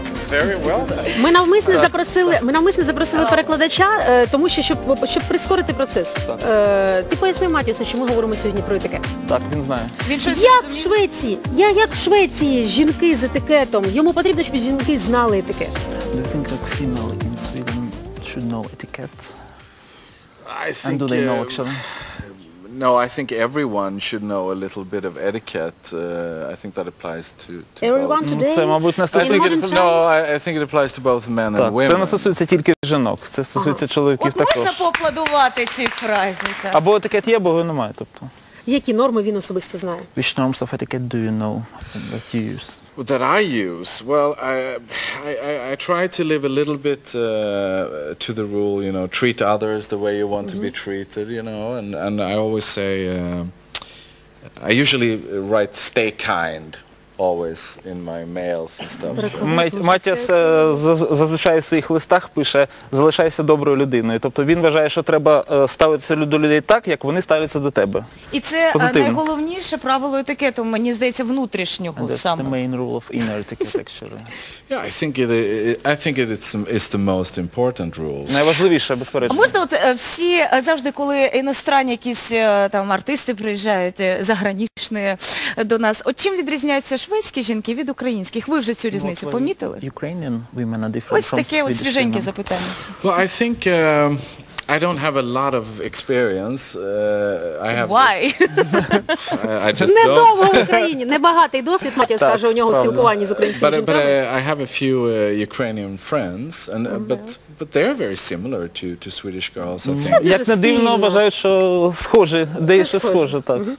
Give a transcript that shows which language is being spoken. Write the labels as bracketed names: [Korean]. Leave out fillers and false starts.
[English] Very well, then. [Ukrainian] Ми навмисно запросили перекладача, тому що, щоб прискорити процес. Ти поясни, Матіасу, що ми говоримо сьогодні про етикет. Так, він знає. Він щось розуміє? Як в Швеції жінки з етикетом? Йому потрібно, щоб жінки знали етикет. [English] Do you think a female in Sweden should know etiquette? I think, and do they know actually? No, I think everyone should know a little bit of etiquette. I think that applies to everyone both. Today. [Ukrainian] Це, мабуть, [English] I think it applies to both men [Ukrainian] так, [English] and women. [Ukrainian] Це не стосується тільки жінок, це стосується чоловіків от також. От можна поаплодувати цій фразі? Так. Або етикет є, або його немає. Тобто. Які норми він особисто знає? [English] Which norms of etiquette do you know that you use? That I use? Well, I try to live a little bit to the rule, you know, treat others the way you want mm-hmm. to be treated, you know, and I always say, I usually write stay kind always in my mails and stuff. [Ukrainian] Матіас зазвичай в своїх листах пише «залишайся доброю людиною», тобто він вважає, що треба ставитися до людей так, як вони ставляться до тебе. І це позитивно. Найголовніше правило етикету, мені здається, внутрішнього саме. [English] That's the main rule of inner etiquette, actually. Yeah, I think it's the most important rule. [Ukrainian] Найважливіше, безперечно. А можна от всі, завжди, коли іностранні якісь там артисти приїжджають, заграничні до нас, от чим відрізняється це шведські жінки від українських. Ви вже цю різницю помітили? [English] Ukrainian women are different. [Ukrainian] Ось таке от свіженьке запитання. [English] Well, I think I don't have a lot of experience. Why? I just [Ukrainian] не довго в Україні, небагатий досвід, Матіас каже, у нього спілкування з українськими жінками. [English] But I have a few Ukrainian friends and but they are very similar to Swedish girls, I think. [Ukrainian] Як не дивно, вважаю, що схожі, дещо схоже, так.